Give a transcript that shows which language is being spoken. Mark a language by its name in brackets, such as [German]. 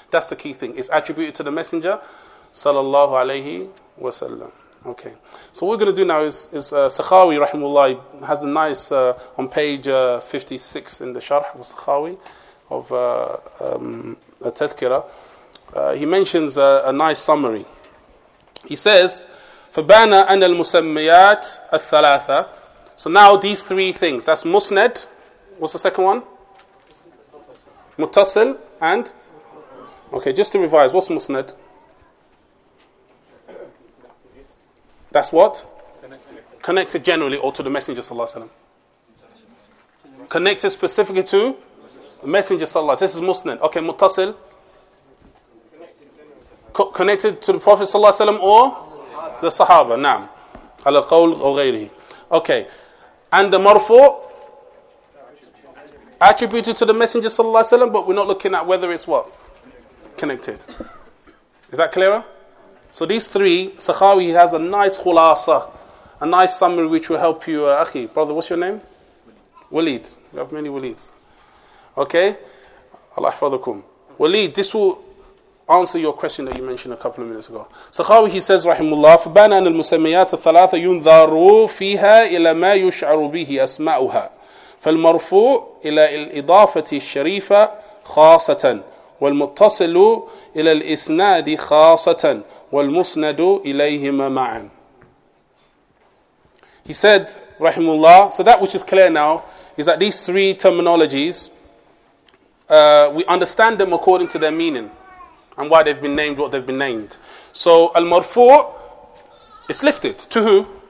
[English] That's the key thing. It's attributed to the Messenger sallallahu alayhi wa sallam. Okay. So what we're going to do now is Sakhawi rahimullah has a nice, on page 56 in the Sharh of Sakhawi, of Tadhkira, he mentions a nice summary. He says, [Arabic] فَبَانَا أَنَا الْمُسَمِّيَاتِ الثَّلَاثَ. [English] So now these three things, that's musnad. What's the second one? Mutasil and? Okay, just to revise, what's Musnad? That's what? Connected generally or to the Messenger sallallahu alayhi wa sallam. Connected specifically to? The Messenger sallallahu alayhi wa sallam. This is Musnad. Okay, Mutasil. Connected to the Prophet sallallahu alayhi wa sallam or? The Sahaba, naam. Ala al-qawl or ghayrihi. Okay. And the Marfu? Attributed to the Messenger sallallahu alaihi wasallam, but we're not looking at whether it's what? Connected. Is that clearer? So these three, Sakhawi has a nice khulasa, a nice summary which will help you. Akhi, brother, what's your name? Waleed. We have many Waleeds. Okay? Allah ihfadhukum. Waleed, this will answer your question that you mentioned a couple of minutes ago. [Arabic] Sakhawi, [English] he says, [Arabic] rahimullah, فَبَانَ أَنَ الْمُسَمِّيَاتَ الثَّلَاثَ يُنْذَارُوا فِيهَا إِلَى مَا يُشْعَرُ بِهِ أَسْمَاؤُهَا فالمرفوع إلى الإضافة الشريفة خاصة والمتصل إلى الإسناد خاصة والمسند إليهما معا. [English] He said, Rahimullah, so that which is clear now is that these three terminologies, we understand them according to their meaning and why they've been named what they've been named. So المرفوع is lifted. To who?